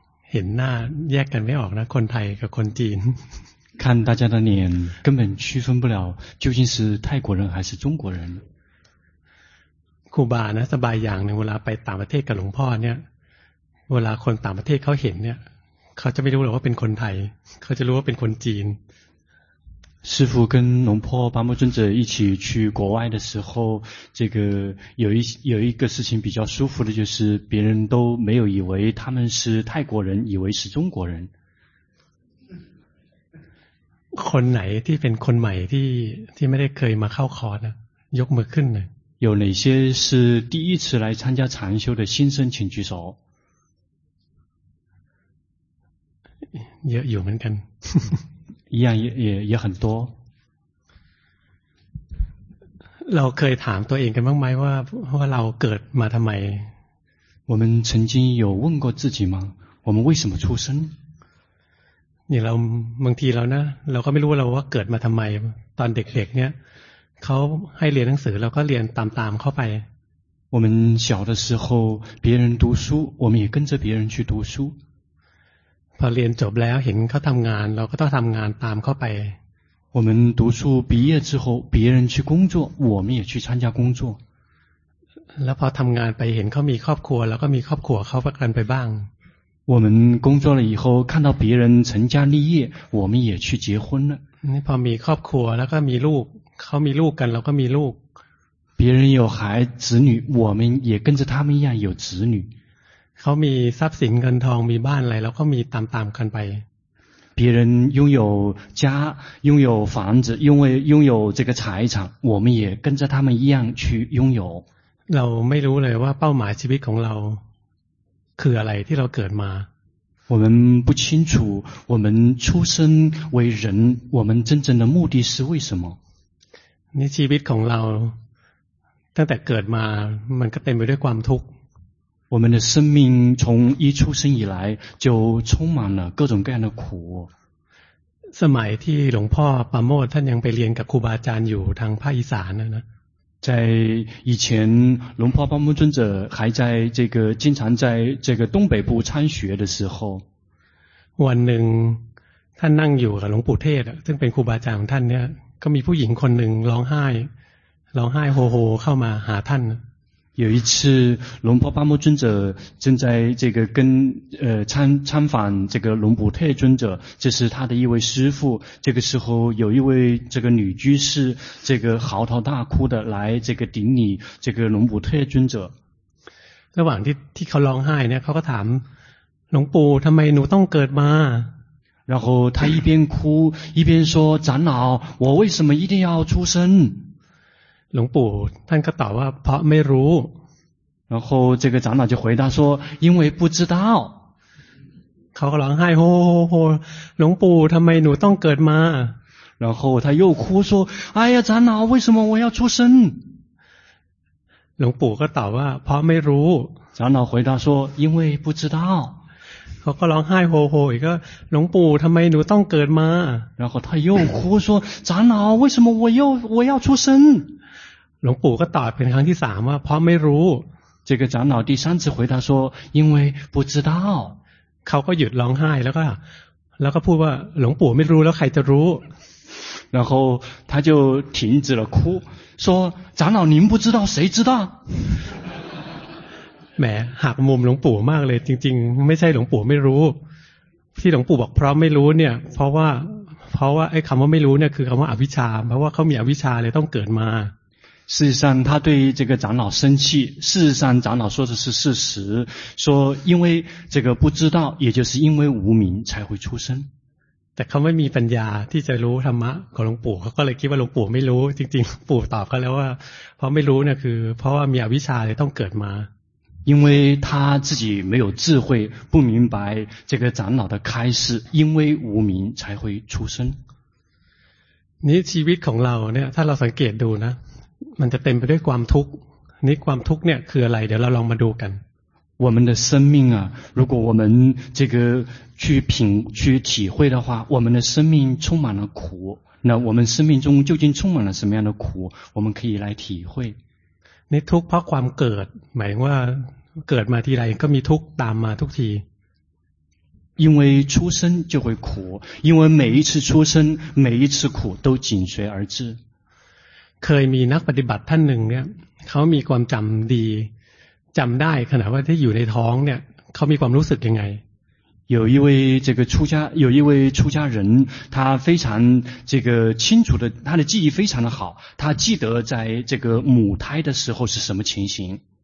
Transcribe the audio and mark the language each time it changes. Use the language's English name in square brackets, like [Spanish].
[Thai] เห็นหน้าแยกกันไม่ออกนะคนไทยกับคนจีน [Chinese] 看大家的脸根本区分不了究竟是泰国人还是中国人 [Thai] ครูบานะสบายอย่างนึงเวลาไปต่างประเทศกับหลวงพ่อเนี่ยเวลาคนต่างประเทศเขาเห็นเนี่ยเขาจะไม่รู้หรอกว่าเป็นคนไทยเขาจะรู้ว่าเป็นคนจีน [Chinese] 师父跟龙婆巴木尊者一起去国外的时候，这个有一个事情比较舒服的，就是别人都没有以为他们是泰国人，以为是中国人。 [Thai] คนไหนที่เป็นคนใหม่ที่ไม่ได้เคยมาเข้าคอร์สยกมือขึ้นหน่อย。 [Chinese] 有哪些是第一次来参加禅修的新生，请举手。 [Thai] เยอะอยู่เหมือนกัน。 [Chinese] 一样也很多。 [Thai] เราเคยถามตัวเองกันบ้างไหมว่าเราเกิดมาทำไม [Chinese] 我们曾经有问过自己吗我们为什么出生 [Thai] เนี่ยเราบางทีเรานะเราก็ไม่รู้ว่าเกิดมาทำไมตอนเด็กๆเนี่ยเขาให้เรียนหนังสือเราก็เรียนตามๆเข้าไป [Chinese] 我们小的时候别人读书我们也跟着别人去读书 [Thai] พอเรียนจบแล้วเห็นเขาทำงานเราก็ต้องทำงานตามเข้าไป [Chinese] 我们读书毕业之后别人去工作我们也去参加工作 [Thai] แล้วพอทำงานไปเห็นเขามีครอบครัวเราก็มีครอบครัวเขาประกันไปบ้าง [Chinese] 我们工作了以后看到别人成家立业我们也去结婚了 [Thai] พอมีครอบครัวแล้วก็มีลูกเขามีลูกกันเราก็มีลูก [Chinese] 别人有孩子女我们也跟着他们一样有子女 [Thai] เขามีทรัพย์สินเงินทองมีบ้านอะไรแล้วก็มีตามๆกันไป [Chinese] 别人拥有家拥有房子拥有这个财产我们也跟着他们一样去拥有 [Thai] เราไม่รู้เลยว่าเป้าหมายชีวิตของเราคืออะไรที่เราเกิดมา [Chinese] 我们不清楚我们出生为人我们真正的目的是为什么 [Thai] นี่ชีวิตของเราตั้งแต่เกิดมามันก็เต็มไปด้วยความทุกข์ [Chinese] 我们的生命从一出生以来就充满了各种各样的苦。 [Thai] สมัยที่หลวงพ่อปาโมทท่านยังไปเรียนกับครูบาอาจารย์อยู่ทางภาคอีสานนะ [Chinese] 在以前龙婆巴木尊者还在这个经常在这个东北部参学的时候。 [Thai] วันหนึ่งท่านนั่งอยู่กับหลวงปู่เทศซึ่งเป็นครูบาอาจารย์ของท่านเนี่ยก็มีผู้หญิงคนหนึ่งร้องไห้โฮโฮเข้ามาหาท่าน [Chinese] 有一次龙婆巴木尊者正在这个跟参访这个龙普特尊者这是他的一位师父这个时候有一位这个女居士这个嚎啕大哭的来这个顶礼这个龙普特尊者 [Thai] ระหว่างที่เขาร้องไห้เนี่ยเขาก็ถามหลวงปู่ทำไมหนูต้องเกิดมา [Chinese] 然后他一边哭一边说长老我为什么一定要出生 [Thai] หลวงปู่ท่านก็ตอบว่าเพราะไม่รู้ [Chinese] 然后这个长老就回答说因为不知道 [Thai] เขาก็ร้องไห้โฮโฮโฮหลวงปู่ทำไมหนูต้องเกิดมา [Chinese] 然后他又哭说哎呀长老为什么我要出生 [Thai] หลวงปู่ก็ตอบว่าเพราะไม่รู้ [Chinese] 长老回答说因为不知道 [Thai] เขาก็ร้องไห้โฮโฮอีกก็หลวงปู่ทำไมหนูต้องเกิดมา [Chinese] 然后他又哭说长老为什么我要出生 [Thai] หลวงปู่ก็ตอบเป็นครั้งที่3ว่าเพราะไม่รู้ [Chinese] 这个长老第三次回答说因为不知道 [Thai] เขาก็หยุดร้องไห้แล้วก็พูดว่าหลวงปู่ไม่รู้แล้วใครจะรู้ [Chinese] 然后他就停止了哭说长老您不知道谁知道 [Thai] แหมหักมุมหลวงปู่มากเลยจริงๆไม่ใช่หลวงปู่ไม่รู้ที่หลวงปู่บอกเพราะไม่รู้เนี่ยเพราะว่าไอ้คำว่าไม่รู้เนี่ยคือคำว่าอวิชชาเพราะว่าเขามีอวิชชาเลยต้องเกิดมา [Chinese] 事实上他对这个长老生气事实上长老说的是事实说因为这个不知道也就是因为无明才会出生 [Thai] แต่เขาไม่มีปัญญาที่จะรู้ธรรมะของหลวงปู่เขาก็เลยคิดว่าหลวงปู่ไม่รู้จริงๆปู่ตอบเขาแล้วว่าเพราะไม่รู้เนี่ยคือเพราะว่ามีอวิชชาเลยต้องเกิดมา [Chinese] 因为他自己没有智慧不明白这个长老的开示因为无明才会出生 [Thai] นี่ชีวิตของเราเนี่ยถ้าเราสังเกตดูนะมันจะเต็มไปด้วยความทุกข์นี่ความทุกข์เนี่ยคืออะไรเดี๋ยวเราลองมาดูกัน [Chinese] 我们的生命啊，如果我们这个去品去体会的话，我们的生命充满了苦，那我们生命中究竟充满了什么样的苦，我们可以来体会。 [Thai] 那ทุกข์เพราะความเกิด หมายว่าเกิดมาทีไรก็มีทุกข์ตามมาทุกที。 [Chinese] 因为出生就会苦，因为每一次出生每一次苦都紧随而至。 [Thai] เคยมีนักปฏิบัติท่านหนึ่งเนี่ยเขามีความจำดีจำได้ขณะว่าที่อยู่ในท้องเนี่ยเขามีความรู้สึกยังไง [Chinese] 有一位这个出家有一位出家人他非常这个清楚的他的记忆非常的好他记得在这个母胎的时候是什么情形